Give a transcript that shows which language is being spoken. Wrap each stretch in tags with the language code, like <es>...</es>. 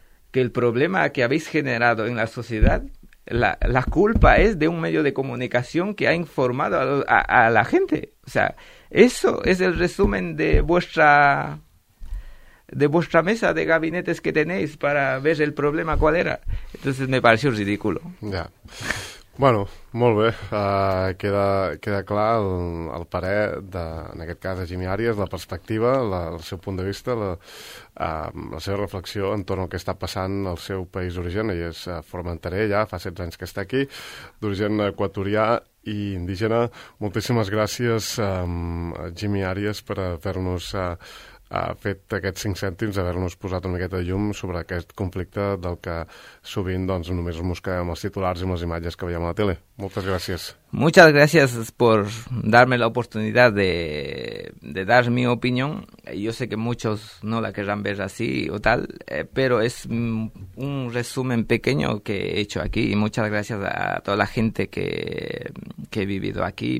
<es>que el problema que habéis generado en la sociedad, la culpa es de un medio de comunicación que ha informado a la gente. O sea, eso es el resumen de vuestra mesa de gabinetes que tenéis para ver el problema cuál era. Entonces me pareció ridículo.</es> <ca>Ya. Bueno, molt bé. Queda clar el parer, en aquest cas, de Jimmy Arias, la perspectiva, el seu punt de vista, la seva reflexió entorn al que està passant al seu país d'origen. Ell és formenterer ja, fa 16 anys que està aquí, d'origen equatorià i indígena. Moltíssimes gràcies, Jimmy Arias, per haver-nos fet aquests 5 cèntims, haver-nos posat una miqueta de llum sobre aquest conflicte del que sovint doncs, només mosquem els titulars i les imatges que veiem a la tele. Moltes gràcies.</ca> <es>Muchas gracias por darme la oportunidad de dar mi opinión. Yo sé que muchos no la querrán ver así o tal, pero es un resumen pequeño que he hecho aquí. Y muchas gracias a toda la gente que he vivido aquí.</es>